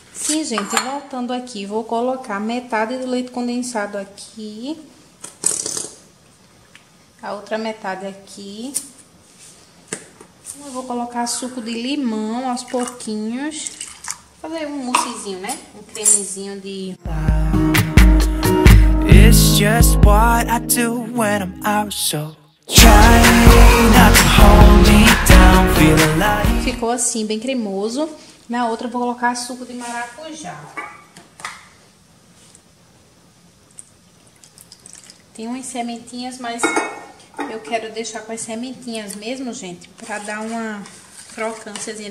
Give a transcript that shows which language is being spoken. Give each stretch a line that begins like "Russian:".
Portuguese: Sim, gente, voltando aqui, vou colocar metade do leite condensado aqui. A outra metade aqui. Eu vou colocar suco de limão aos pouquinhos. Fazer um moussezinho, né? Um cremezinho de...
English: It's just what I do when I'm out, so try not to hold me down, feel alive.
Portuguese: Ficou assim, bem cremoso. Na outra eu vou colocar suco de maracujá. Tem umas sementinhas, mas... eu quero deixar com as sementinhas mesmo, gente, pra dar uma crocânciazinha.